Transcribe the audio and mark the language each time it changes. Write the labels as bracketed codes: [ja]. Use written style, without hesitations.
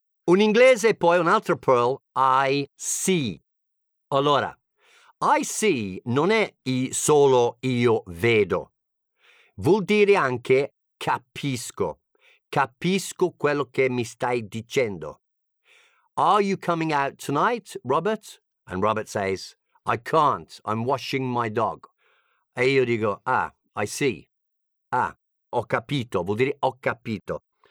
[it] Un inglese e poi un altro pearl. [en] I see. [it] Allora. [en] I see [it] non è solo io vedo, vuol dire anche capisco, capisco quello che mi stai dicendo. [en] Are you coming out tonight, Robert? And Robert says, I can't, I'm washing my dog. [it] E io dico, ah, [en] I see, [it] ah, ho capito, vuol dire ho capito.